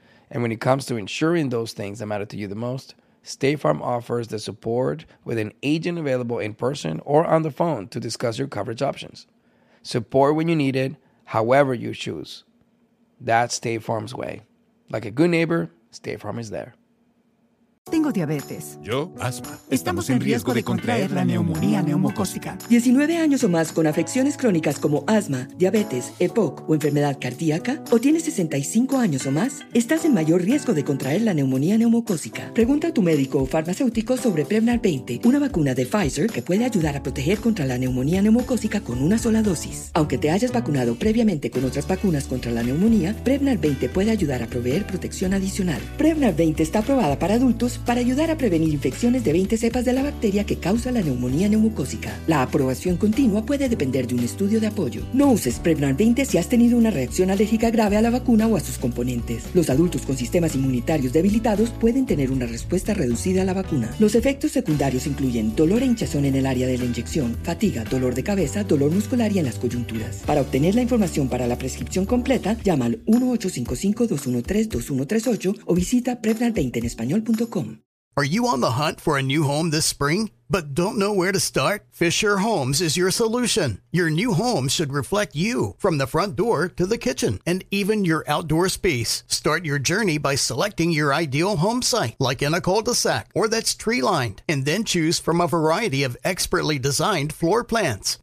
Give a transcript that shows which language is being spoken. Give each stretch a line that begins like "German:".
English: And when it comes to ensuring those things that matter to you the most, State Farm offers the support with an agent available in person or on the phone to discuss your coverage options. Support when you need it, however you choose. That's State Farm's way. Like a good neighbor, State Farm is there.
Spanish: Tengo diabetes. Yo, asma. Estamos en riesgo de contraer la neumonía neumocócica. 19 años o más con afecciones crónicas como asma, diabetes, EPOC o enfermedad cardíaca, o tienes 65 años o más, estás en mayor riesgo de contraer la neumonía neumocócica. Pregunta a tu médico o farmacéutico sobre Prevnar 20, una vacuna de Pfizer que puede ayudar a proteger contra la neumonía neumocócica con una sola dosis. Aunque te hayas vacunado previamente con otras vacunas contra la neumonía, Prevnar 20 puede ayudar a proveer protección adicional. Prevnar 20 está aprobada para adultos para ayudar a prevenir infecciones de 20 cepas de la bacteria que causa la neumonía neumocócica. La aprobación continua puede depender de un estudio de apoyo. No uses Prevnar 20 si has tenido una reacción alérgica grave a la vacuna o a sus componentes. Los adultos con sistemas inmunitarios debilitados pueden tener una respuesta reducida a la vacuna. Los efectos secundarios incluyen dolor e hinchazón en el área de la inyección, fatiga, dolor de cabeza, dolor muscular y en las coyunturas. Para obtener la información para la prescripción completa, llama al 1-855-213-2138 o visita Prevnar20enespañol.com.
English: Are you on the hunt for a new home this spring, but don't know where to start? Fisher Homes is your solution. Your new home should reflect you from the front door to the kitchen and even your outdoor space. Start your journey by selecting your ideal home site, like in a cul-de-sac or that's tree-lined, and then choose from a variety of expertly designed floor plans.